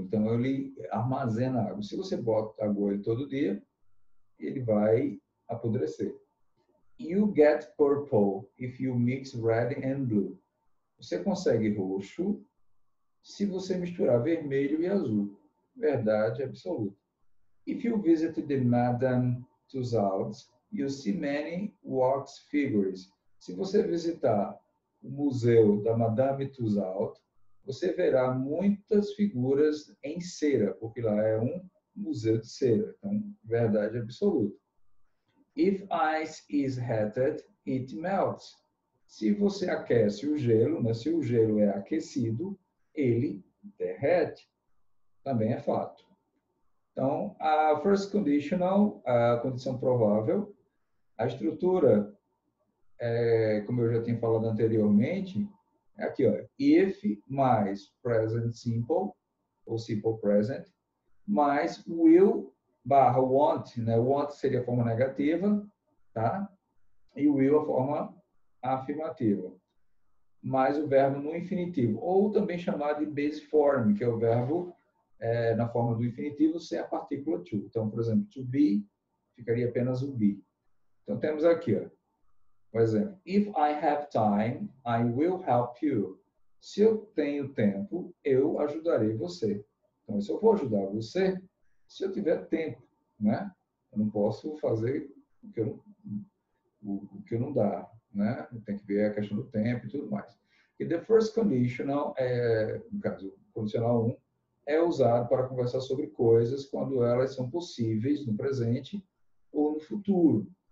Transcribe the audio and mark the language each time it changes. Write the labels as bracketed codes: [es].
[pt] Então, ele armazena água. Se você bota água ele todo dia, ele vai apodrecer. [en] You get purple if you mix red and blue. [pt] Você consegue roxo se você misturar vermelho e azul. Verdade absoluta. [en] If you visit the Madame Tussauds, you see many wax figures. [pt] Se você visitar o museu da Madame Tussauds, você verá muitas figuras em cera, porque lá é um museu de cera. Então, verdade absoluta. [en] If ice is heated, it melts. [pt] Se você aquece o gelo, né? Se o gelo é aquecido, ele derrete. Também é fato. Então, a first conditional, a condição provável, a estrutura, como eu já tinha falado anteriormente, é aqui, ó, if mais present simple, ou simple present, mais will barra want, né? Want seria a forma negativa, tá? E will a forma afirmativa. Mais o verbo no infinitivo, ou também chamado de base form, que é o verbo na forma do infinitivo, sem a partícula to. Então, por exemplo, to be, ficaria apenas o be. Então, temos aqui, ó. Por exemplo, [en] if I have time, I will help you. [pt] Se eu tenho tempo, eu ajudarei você. Então, se eu for ajudar você, se eu tiver tempo, né? Eu não posso fazer o que eu não dá, né? Tem que ver a questão do tempo e tudo mais. E the first conditional, no caso, condicional 1, é usado para conversar sobre coisas quando elas são possíveis no presente ou no futuro.